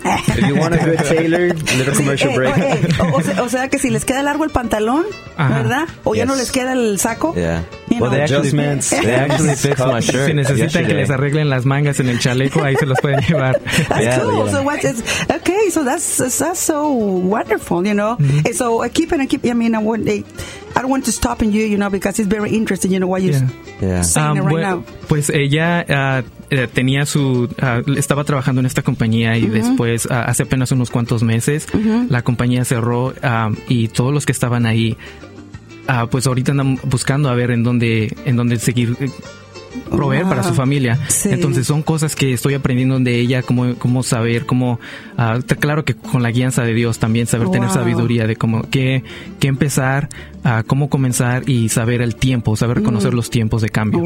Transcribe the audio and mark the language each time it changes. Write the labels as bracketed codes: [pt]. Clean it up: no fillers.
[en] If you want a good tailor, little commercial break. Okay. [es] O sea, que si les queda largo el pantalón, ¿verdad? O ya no les queda el saco. [en] Yeah. You know. Well, they actually fix my shirt. [es] Si necesitan que les arreglen las mangas en el chaleco, ahí se los pueden llevar. [en] That's cool. Yeah. So that's so wonderful, you know. And so I want to stop in you, you know, because it's very interesting, you know, what you're saying right now. [es] Pues ella tenía su... estaba trabajando en esta compañía y después, hace apenas unos cuantos meses, la compañía cerró y todos los que estaban ahí, pues ahorita andan buscando a ver en dónde seguir... proveer para su familia. Sí. Entonces son cosas que estoy aprendiendo de ella, cómo saber, cómo, claro que con la guianza de Dios también, saber tener sabiduría de cómo, qué empezar, cómo comenzar y saber el tiempo, saber conocer los tiempos de cambio.